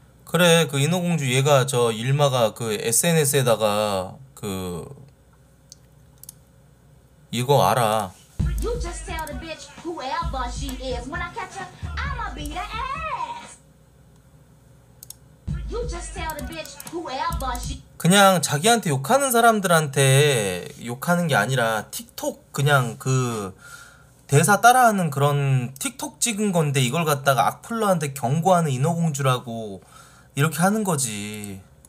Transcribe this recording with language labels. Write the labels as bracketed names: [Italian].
[Korean] 그래, 그 인어공주 얘가 저 일마가 그 SNS에다가 그 이거 알아. [English] You just tell the bitch whoever she is when I catch her, I'ma be the ass. You just tell the bitch whoever she. [Korean] 그냥 자기한테 욕하는 사람들한테 욕하는 게 아니라 틱톡 그냥 그 대사 따라하는 그런 틱톡 찍은 건데 이걸 갖다가 악플러한테 경고하는 인어공주라고. 이렇게 하는 거지.